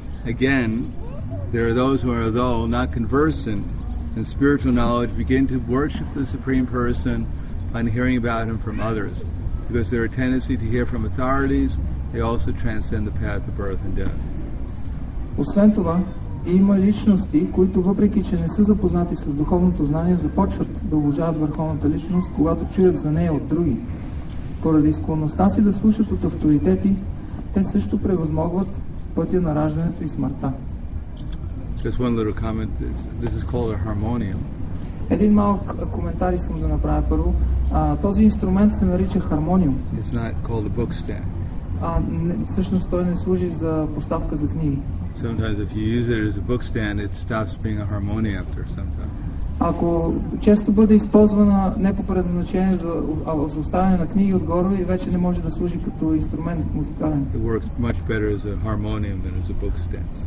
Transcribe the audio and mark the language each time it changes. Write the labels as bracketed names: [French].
[English] Again, there are those who are, though not conversant in spiritual knowledge, begin to worship the Supreme Person on hearing about him from others. Because there are a tendency to hear from authorities, they also transcend the path of birth and death. [Bulgarian] Освен това, има личности, които въпреки че не са запознати с духовното знание, започват да уважават върховната личност, когато чуят за нея от други. Поради склонността си да слушат от авторитети, те също превъзмогват пътя на раждането и смъртта. [English] Just one little comment. This is called a harmonium. [Bulgarian] Един малък коментар искам да направя първо. Този инструмент се нарича хармониум. [English] It's not called a book stand. [Bulgarian] Всъщност той не служи за поставка за книги. [English] Sometimes if you use it as a book stand, it stops being a harmonium after some time. [Bulgarian] Ако често бъде използвана не по предназначение за оставяне на книги отгоре и вече не може да служи като инструмент музикален. [English] It works much better as a harmonium than as a book stand.